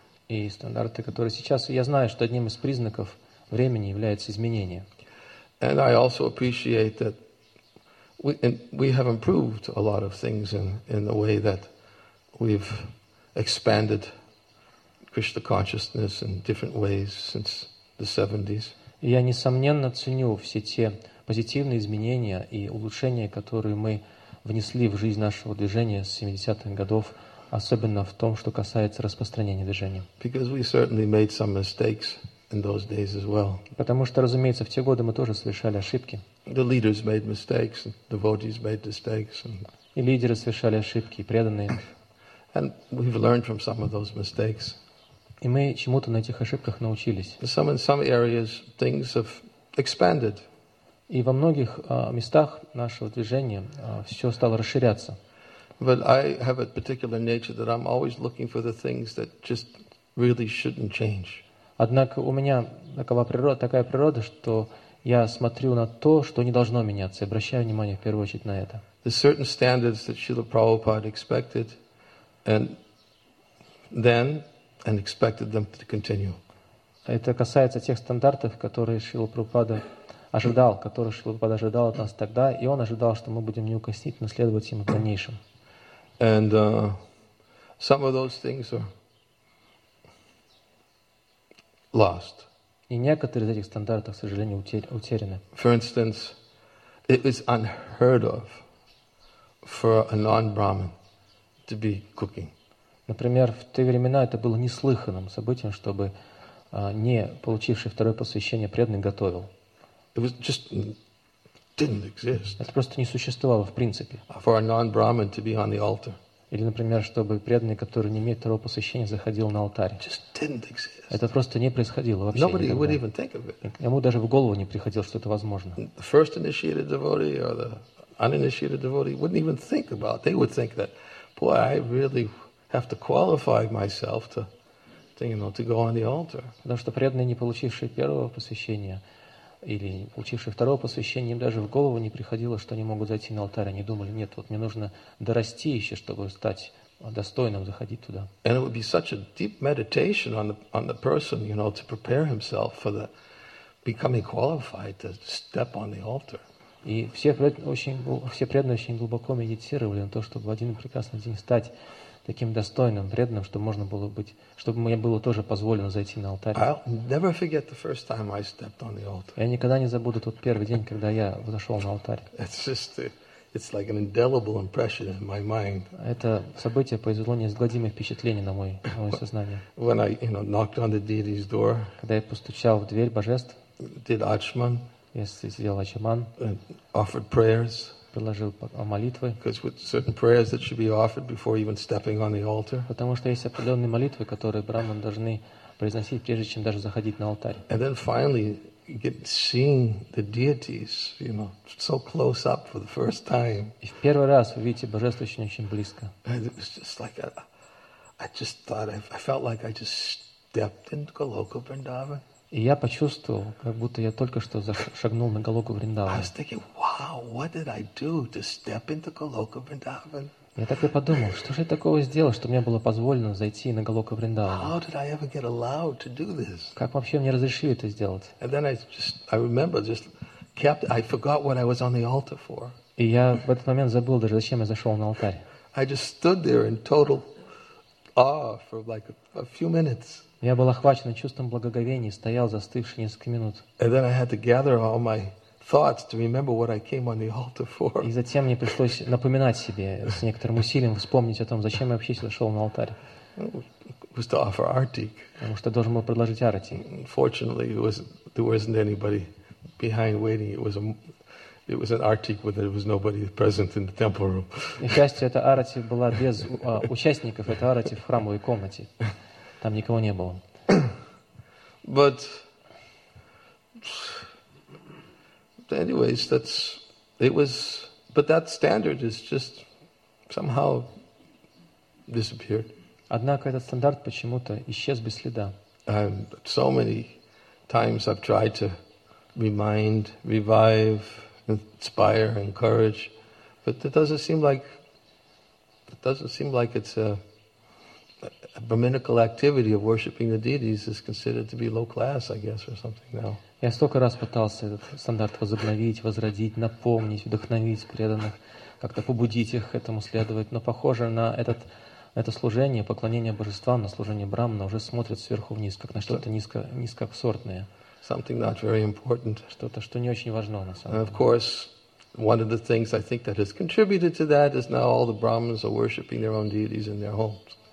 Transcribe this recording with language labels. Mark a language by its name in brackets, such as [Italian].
[Russian] И стандарты, которые сейчас, я знаю, что одним из признаков времени является изменение. [English] And I also appreciate that we have improved a lot of things in the way that we've expanded Krishna consciousness in different ways since the 70s. [Russian] Я несомненно ценю все те позитивные изменения и улучшения, которые мы внесли в жизнь нашего движения с 70-х годов, особенно в том, что касается распространения движения. [English] Because we certainly made some mistakes in those days as well. [Russian] Потому что, разумеется, в те годы мы тоже совершали ошибки. [English] The leaders made mistakes, and devotees made mistakes. [Russian] И лидеры совершали ошибки, и преданные. [English] And we've learned from some of those mistakes. [Russian] И мы чему-то на этих ошибках научились. [English] In some areas things have expanded. [Russian] И во многих местах нашего движения все стало расширяться. [English] But I have a particular nature that I'm always looking for the things that just really shouldn't change. [Russian] Однако у меня такая природа, что я смотрю на то, что не должно меняться, и обращаю внимание в первую очередь на это. [English] The certain standards that Srila Prabhupada expected and then and expected them to continue. [Russian] Это касается тех стандартов, которые Шрила Прабхупада ожидал, которые Шрила Прабхупада ожидал от нас тогда, и он ожидал, что мы будем неукоснительно следовать им в дальнейшем. [English] And some of those things are lost. [Russian] И некоторые из этих стандартов, к сожалению, утеряны. [English] For instance, it is unheard of for a non-brahmin to be cooking. [Russian] Например, в те времена это было неслыханным событием, чтобы не получивший второе посвящение преданный готовил. [English] It was just didn't exist. [Russian] Это просто не существовало в принципе. [English] For a non-brahmin to be on the altar. [Russian] Или, например, чтобы преданный, который не имеет второго посвящения, заходил на алтарь. [English] Just didn't exist. [Russian] Это просто не происходило вообще. [English] Nobody [Russian] никогда [English] would even think of it. [Russian] Ему даже в голову не приходило, что это возможно. [English] The first initiated devotee or the uninitiated devotee wouldn't even think about it. They would think that, boy, I really have to qualify myself to go on the altar. [Russian] Потому что преданные, не получившие первого посвящения или получившие второго посвящения, им даже в голову не приходило, что они могут зайти на алтарь. Они думали, нет, вот мне нужно дорасти еще, чтобы стать достойным заходить туда. [English] And it would be such a deep meditation on the person, you know, to prepare himself for the becoming qualified to step on the altar. [Russian] И все преданные очень глубоко медитировали на то, чтобы в один прекрасный день стать таким достойным, преданным, чтобы можно было быть, чтобы мне было тоже позволено зайти на алтарь. [English] I'll never forget the first time I stepped on the altar. [Russian] Я никогда не забуду тот первый день, когда я взошел на алтарь. [English] It's just It's like an indelible impression in my mind. [Russian] Это событие произвело неизгладимое впечатление на мое сознание. [English] When I, you know, knocked on the deity's door. [Russian] Когда я постучал в дверь божеств. [English] Did Achman. [Russian] Я сделал Ачаман. [English] Offered prayers. [Russian] Приложил молитвы. [English] Because with certain prayers that should be offered before even stepping on the altar. [Russian] Потому что есть определенные молитвы, которые браман должны произносить, прежде чем даже заходить на алтарь. [English] And then finally, seeing the deities, you know, so close up for the first time. [Russian] И в первый раз вы видите божество очень-очень близко. [English] And it was just like I just thought I felt like I just stepped into Goloka Vrindavan. [Russian] И я почувствовал, как будто я только что шагнул на Голоку Вриндаван. [English] I was thinking, wow, what did I do to step into Goloka Vrindavan? [Russian] Я так и подумал, что же я такого сделал, что мне было позволено зайти на Голока Вриндавана? [English] How did I ever get allowed to do this? [Russian] Как вообще мне разрешили это сделать? [English] And then I remember just kept, I forgot what I was on the altar for. [Russian] И я в этот момент забыл даже, зачем я зашел на алтарь. [English] I just stood there in total awe for like a few minutes. [Russian] Я был охвачен чувством благоговения, стоял застывший несколько минут. [English] And then I had to gather all my thoughts to remember what I came on the altar for. [Russian] И затем мне пришлось напоминать себе с некоторым усилием вспомнить о том, зачем я вообще сюда шел на алтарь. [English] Was to offer artik. [Russian] Потому что должен был предложить арти. [English] Fortunately, there wasn't anybody behind waiting. It was an artik where there was nobody present in the temple room. [Russian] И, к счастью, эта арти была без участников. Это арти в храмовой комнате. Там никого не было. [English] But anyways, that standard is just somehow disappeared. [Russian] Однако этот стандарт почему-то исчез без следа. [English] So many times I've tried to remind, revive, inspire, encourage, but it doesn't seem like it's a brahminical activity of worshiping the deities is considered to be low class, I guess, or something now. [Russian] Я столько раз пытался этот стандарт возобновить, возродить, напомнить, вдохновить преданных, как-то побудить их к этому следовать. Но похоже на это служение, поклонение божествам, на служение брахмана уже смотрят сверху вниз, как на что-то низкосортное. [English] Something not very important. [Russian] Что-то, что не очень важно на самом деле. [English] And of course, one of the things I think that has contributed to that is now all the brahmins are worshiping their own deities in their homes.